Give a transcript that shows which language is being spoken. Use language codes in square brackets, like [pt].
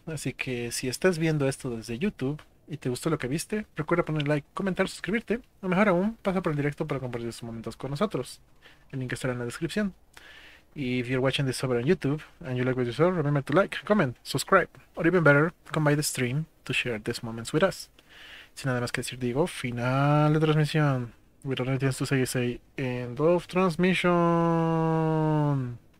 [es] Así que si estás viendo esto desde YouTube y te gustó lo que viste, recuerda poner like, comentar, suscribirte, o mejor aún, pasa por el directo para compartir sus momentos con nosotros. El link estará en la descripción. [en] If you're watching this over on YouTube and you like what you saw, remember to like, comment, subscribe, or even better, come by the stream to share these moments with us. [es] Sin nada más que decir, digo, final de transmisión. [en] We don't have to say, say, end of transmission.